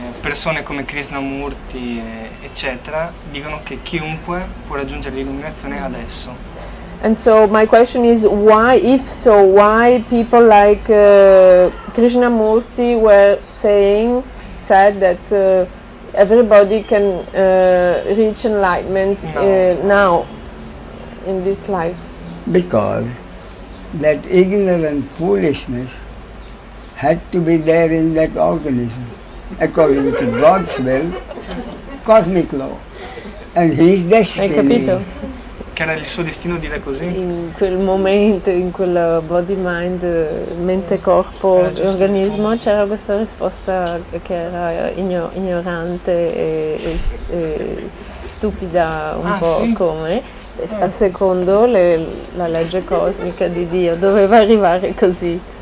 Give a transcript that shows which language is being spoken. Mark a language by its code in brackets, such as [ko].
[it] Persone come Krishnamurti eccetera dicono che chiunque può raggiungere l'illuminazione adesso. [en] And so my question is why people like Krishnamurti said that everybody can reach enlightenment now, in this life. because that ignorant foolishness had to be there in that organism, according to God's will, cosmic law, and his destiny. [it] Che era il suo destino dire così? In quel momento, in quel [en] body mind, [it] mente corpo, organismo, c'era questa risposta che era ignorante e stupida un po', sì? Come a secondo la legge cosmica di Dio doveva arrivare così.